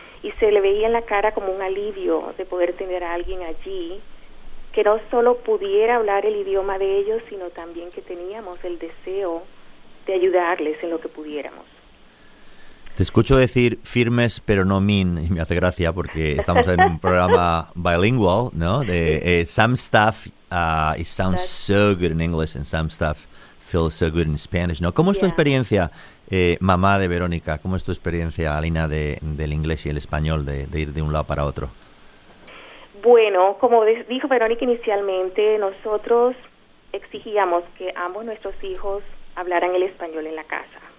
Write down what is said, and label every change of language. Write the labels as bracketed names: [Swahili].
[Spanish] y se le veía en la cara como un alivio de poder tener a alguien allí que no solo pudiera hablar el idioma de ellos, sino también que teníamos el deseo de ayudarles en lo que pudiéramos. Te escucho decir firmes pero no mean, y me hace gracia porque estamos en un programa bilingual, ¿no? [English] De some stuff it sounds so good in English and some stuff feels so good in Spanish, ¿no? [Spanish] ¿Cómo es tu experiencia, mamá de Verónica? ¿Cómo es tu experiencia, Alina, del inglés y el español, de ir de un lado para otro? Bueno, como dijo Verónica inicialmente, nosotros exigíamos que ambos nuestros hijos hablaran el español en la casa.